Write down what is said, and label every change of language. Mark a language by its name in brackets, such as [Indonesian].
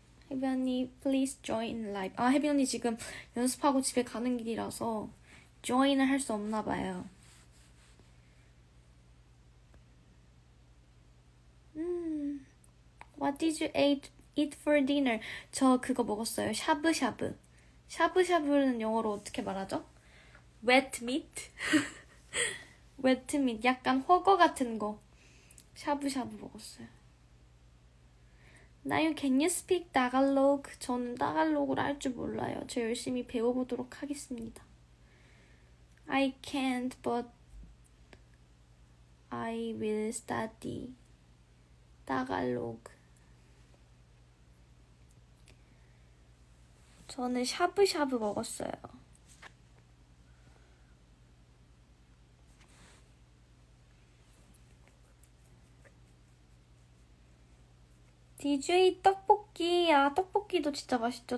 [English] 혜빈 언니, please join live. [Korean] 아, 혜빈 언니 지금 연습하고 집에 가는 길이라서 join을 할 수 없나 봐요. [English] 'What did you eat for dinner?' [Korean] 저 그거 먹었어요. 샤브샤브. 샤브샤브는 영어로 어떻게 말하죠? [English] Wet meat? Wet meat. [Korean] 약간 훠궈 같은 거. 샤브샤브 먹었어요. [English] Now can you speak Tagalog? [Korean] 저는 Tagalog을 할 줄 몰라요. 저 열심히 배워보도록 하겠습니다. [English] I can't, but I will study Tagalog. [Korean] 저는 샤브샤브 먹었어요. 디제이 떡볶이. 아 떡볶이도 진짜 맛있죠.